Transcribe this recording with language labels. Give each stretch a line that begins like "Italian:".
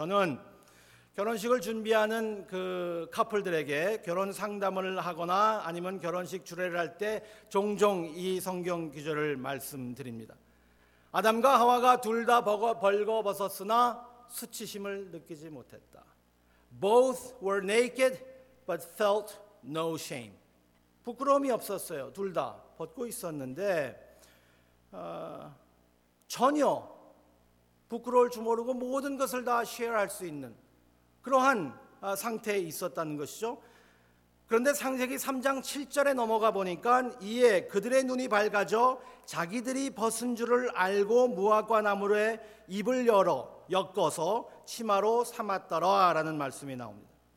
Korean: 저는 결혼식을 준비하는 그 커플들에게 결혼 상담을 하거나 아니면 결혼식 주례를 할 때 종종 이 성경 구절을 말씀드립니다. 아담과 하와가 둘 다 벌거벗었으나 수치심을 느끼지 못했다.
English: Both were naked but felt no shame.
Korean: 부끄러움이 없었어요. 둘 다 벗고 있었는데 전혀 부끄러울 줄 모르고 모든 것을 다 쉐어할 수 있는 그러한 상태에 있었다는 것이죠. 그런데 창세기 3장 7절에 넘어가 보니까 이에 그들의 눈이 밝아져 자기들이 벗은 줄을 알고 무화과 나무에 입을 열어 엮어서 치마로 삼았더라라는 말씀이 나옵니다.